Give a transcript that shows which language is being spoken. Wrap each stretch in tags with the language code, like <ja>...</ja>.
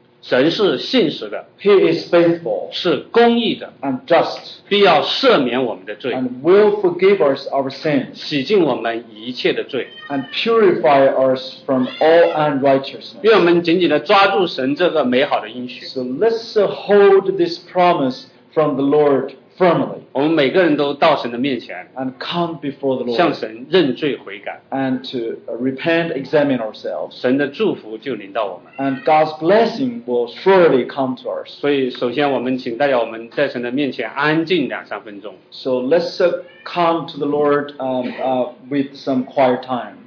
<zh>神是信实的。</zh> <en>He is faithful.</en> <zh>是公义的。</zh> <en>And just.</en> <zh>必要赦免我们的罪。</zh> <en>And will forgive us our sins.</en> <zh>洗净我们一切的罪。</zh> <en>And purify us from all unrighteousness.</en> <zh>愿我们紧紧地抓住神这个美好的应许。</zh> <en>So let's hold this promise from the Lord firmly.</en> <zh>我们每个人都到神的面前。</zh> <en>And come before the Lord.</en> <zh>向神认罪悔改。</zh> <en>And to repent, examine ourselves.</en> <zh>神的祝福就临到我们。</zh> <en>And God's blessing will surely come to us.</en> <zh>所以首先我们请大家我们在神的面前安静两三分钟。</zh> <en>So let's come to the Lord with some quiet time.</en>